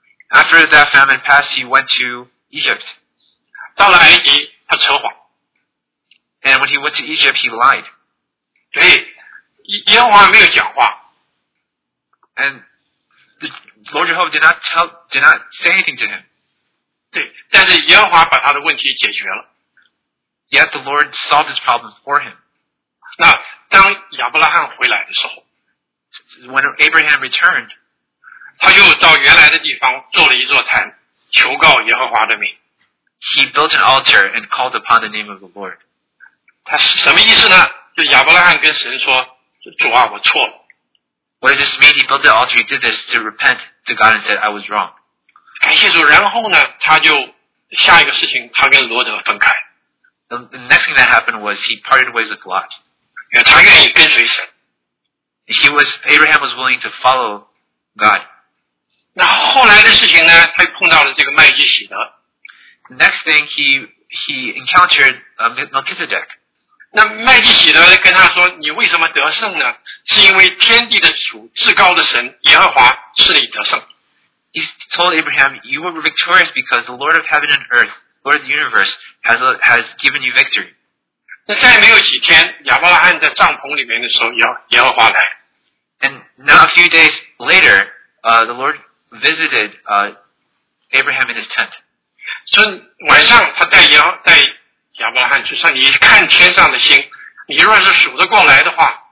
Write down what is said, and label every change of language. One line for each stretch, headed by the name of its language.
English: After that famine passed, he went to Egypt.
Chinese: 到了埃及他扯谎。
English: And when he went to Egypt, he lied.
Chinese: 对，耶和华没有讲话。
English: And the Lord Jehovah did not say anything to him.
Chinese: 对，但是耶和华把他的问题解决了。
English: Yet the Lord solved his problem for him.
Chinese: 那当亚伯拉罕回来的时候，
English: When Abraham returned,
Chinese: 他就到原来的地方做了一座坛，求告耶和华的名。
English: He built an altar and called upon the name of the Lord.
Chinese: 他什么意思呢？就亚伯拉罕跟神说：“主啊，我错了。”
English: What does this mean? He built the altar. He did this to repent to God and said, "I was wrong."
Chinese: 感谢主。然后呢，他就下一个事情，他跟罗德分开。
English: The next thing that happened was he parted ways with Lot.
Chinese: 他愿意跟随神。
English: Abraham was willing to follow God.
Chinese: 那后来的事情呢？他碰到了这个麦基洗德。
English: Next thing, he he encountered Melchizedek.
Chinese: 那麦基喜德跟他说，你为什么得胜呢？是因为天地的主至高的神耶和华是你得胜。
English: He told Abraham, you were victorious because the Lord of heaven and earth, Lord of the universe, has given you victory.
Chinese: 那再没有几天，亚伯拉罕在帐篷里面的时候，耶和华来。
English: And now a few days later, the Lord visited Abraham in his tent.
Chinese: 所以晚上他带亚伯拉罕去说，你看天上的星，你若是数得过来的话。